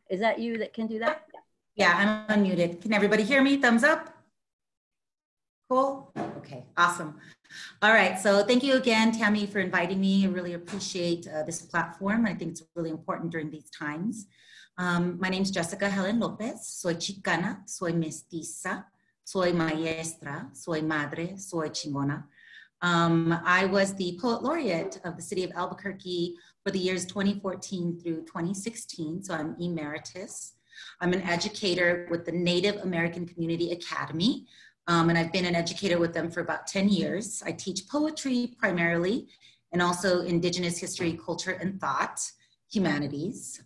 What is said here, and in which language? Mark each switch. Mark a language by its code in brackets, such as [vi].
[en] Is that you that can do that? Yeah, I'm unmuted. Can everybody hear me? Thumbs up? Cool. Okay, awesome. All right, so thank you again, Tammy, for inviting me. I really appreciate this platform. I think it's really important during these times. My name is Jessica Helen Lopez. [es] Soy chicana, soy mestiza, soy maestra, soy madre, soy chingona. [en] I was the poet laureate of the city of Albuquerque for the years 2014 through 2016, so I'm emeritus. I'm an educator with the Native American Community Academy. And I've been an educator with them for about 10 years. I teach poetry primarily, and also Indigenous history, culture, and thought, humanities.